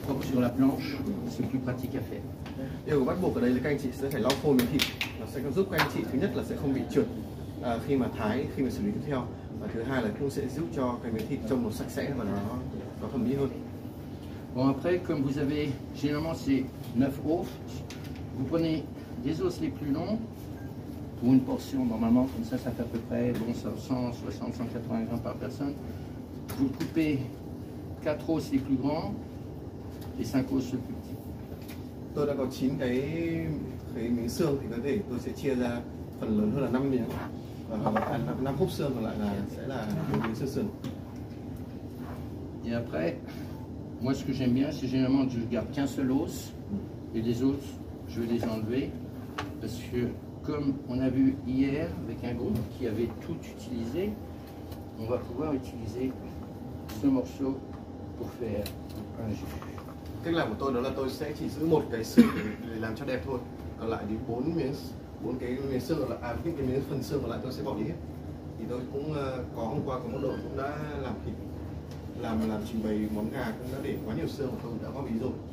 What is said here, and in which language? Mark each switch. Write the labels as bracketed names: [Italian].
[French] Sur la planche, c'est plus pratique à faire. [Vietnamese] Điều bắt buộc ở đây là các anh chị sẽ phải lau khô miếng thịt. Nó sẽ giúp các anh chị thứ nhất là sẽ không bị trượt khi mà thái, khi mà xử lý tiếp theo. Và thứ hai là cũng sẽ giúp cho cái miếng thịt trông nó sạch sẽ và nó thẩm mỹ hơn. [French] Bon, après, comme vous avez, généralement c'est 9 os, vous prenez les os les plus longs pour une portion normalement comme ça fait à peu près bon, 160-180 grammes par personne. Vous coupez 4 os les plus grands et 5 os les plus petits. [Vietnamese] Tôi đã có 9 cái miếng xương thì có thể tôi sẽ chia ra phần lớn hơn là 5 miếng và 5 khúc xương còn lại là sẽ là miếng xương sườn. [French] Et après, moi ce que j'aime bien c'est généralement je garde qu'un seul os et les autres je vais les enlever. Parce que comme on a vu hier avec un groupe qui avait tout utilisé, on va pouvoir utiliser ce morceau pour faire un jus. [Vietnamese] Cách làm của tôi đó là tôi sẽ chỉ giữ một cái xương để làm cho đẹp thôi. Còn lại thì bốn cái miếng xương là những cái miếng phần xương còn lại tôi sẽ bỏ đi hết. Thì tôi cũng có hôm qua có một đội cũng đã làm thịt, làm trình bày món gà cũng đã để quá nhiều xương mà tôi đã góp ý rồi.